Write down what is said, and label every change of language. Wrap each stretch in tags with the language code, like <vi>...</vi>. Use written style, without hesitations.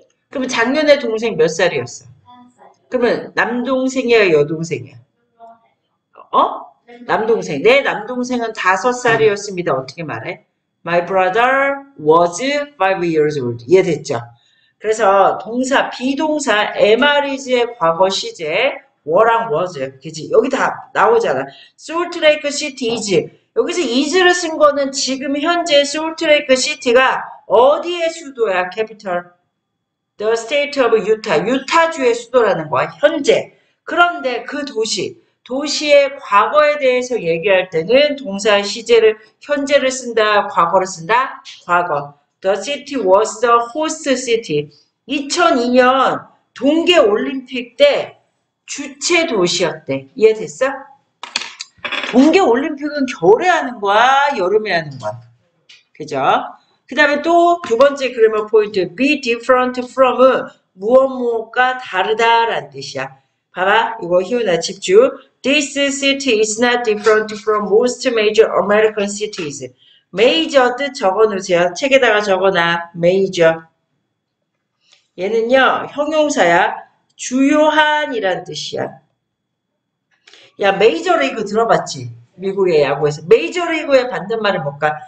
<ko>그럼 작년에 동생 몇 살이었어? 그러면 남동생이야, 여동생이야? 어? 남동생. 내 남동생은 다섯 살이었습니다. 어떻게 말해?</ko> <en>My brother was 5 years old.</en> <ko>이해됐죠? 그래서 동사, 비동사, am, are, is의 과거 시제, were랑 was, 그지? 여기 다 나오잖아.</ko> <en>Salt Lake City is.</en> <ko>여기서 is를 쓴 거는 지금 현재 솔트레이크 시티가 어디의 수도야?</ko> <en>캐피털. The state of Utah.</en> <ko>유타주의 수도라는 거야. 현재. 그런데 그 도시. 도시의 과거에 대해서 얘기할 때는 동사의 시제를, 현재를 쓴다, 과거를 쓴다? 과거.</ko> <en>The city was the host city.</en> <ko>2002년 동계 올림픽 때 주최 도시였대. 이해됐어? 동계올림픽은 겨울에 하는 거야, 여름에 하는 거야. 그죠? 그 다음에 또두 번째 그래머 포인트.</ko> <en>Be different from</en> <ko>은 무엇무엇과 다르다라는 뜻이야. 봐봐, 이거 희우나 집중.</ko> <en>This city is not different from most major American cities.</en> <ko>Major 뜻 적어놓으세요. 책에다가 적어놔. Major. 얘는요, 형용사야. 주요한이란 뜻이야. 야, 메이저리그 들어봤지? 미국의 야구에서. 메이저리그의 반대말을 볼까?</ko>